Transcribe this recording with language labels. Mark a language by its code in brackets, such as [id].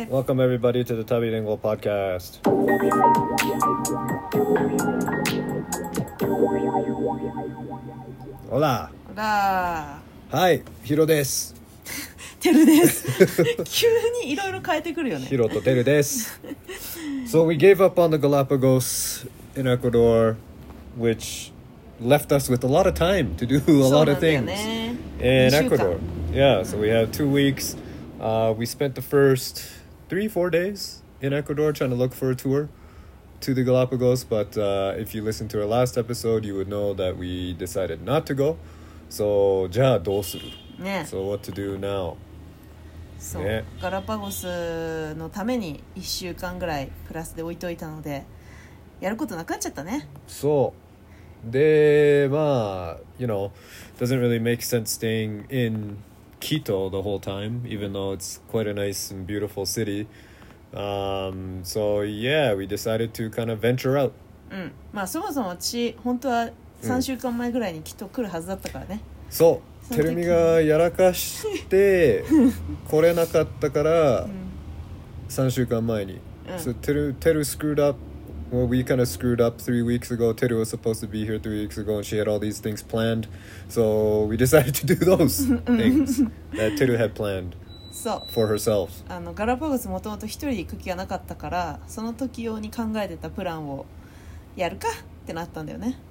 [en] へ。Welcome everybody to the タビリンゴポッドキャスト。 [es] オラー、 オラ [ja] ー、 はい、ヒロです。テルです。急にいろいろ変えてくるよね。ヒロとテルです。 [en] So we gave up on the Galapagos in Ecuador, which left us with a lot of time to do a lot of things in Ecuador. Yeah, so we had 2 weeks. We spent the first 3-4 days in Ecuador trying to look for a tour to the Galapagos. But if you listened to our last episode, you would know that we decided not to go. So, [ja] じゃあどうする? Yeah. [en] So what to do now? So, yeah. [ja] Galapagos のために1週間ぐらいプラスで置いといたので、やることなくなっちゃったね。そう。で、まあ、 [en] you know, doesn't really make sense staying in Quito the whole time, even though it's quite a nice and beautiful city. So yeah, we decided to kind of venture out. [ja] まあ、そもそも私、本当は3週間前ぐらいにきっと来るはずだったからね。そう、テルミがやらかして来れなかったから、3週間前に。 [en] So, テル screwed up. Well, we kind of screwed up 3 weeks ago. Teru was supposed to be here 3 weeks ago, and she had all these things planned. So we decided to do those things that Teru had planned for herself. [ja] あの、ガラパゴスもともと一人で行く気がなかったから、その時用に考えてたプランをやるかってなったんだよね。